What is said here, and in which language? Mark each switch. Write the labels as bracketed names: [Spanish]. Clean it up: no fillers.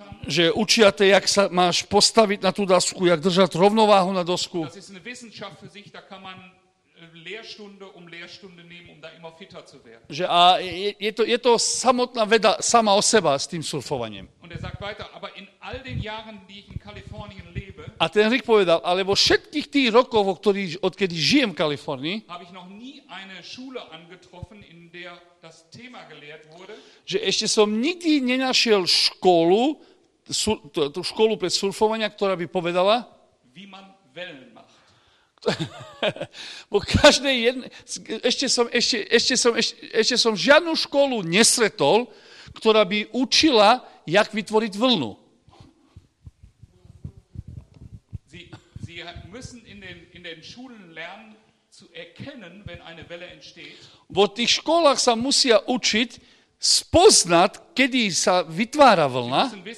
[Slovak] Že učia te, jak sa máš postaviť na tú dosku, jak držať rovnováhu na dosku. [German] Sich, da kann man, Lehrstunde um Lehrstunde nehmen, um da immer fitter zu werden. [Slovak] Že a je to samotná veda sama o seba s tým surfovaním. [German] Und er sagt weiter, aber in all den Jahren, die ich in Kalifornien lebe. [Slovak] A ten Rick povedal, ale vo všetkých tých rokov, odkedy žijem v Kalifornii, [German] habe ich noch nie eine Schule angetroffen, in der das Thema gelehrt wurde. [Slovak] Že ešte som nikdy nenašiel školu, tú školu pre surfovania, ktorá by povedala, [German] wie man Wellen. [Slovak] Bo každej jednej, ešte som žiadnu školu nesretol, ktorá by učila, jak vytvoriť vlnu. [German] Sie müssen in den Schulen lernen zu erkennen, wenn eine Welle entsteht. [Slovak] Vo tých školách sa musia učiť spoznať, kedy sa vytvára vlna.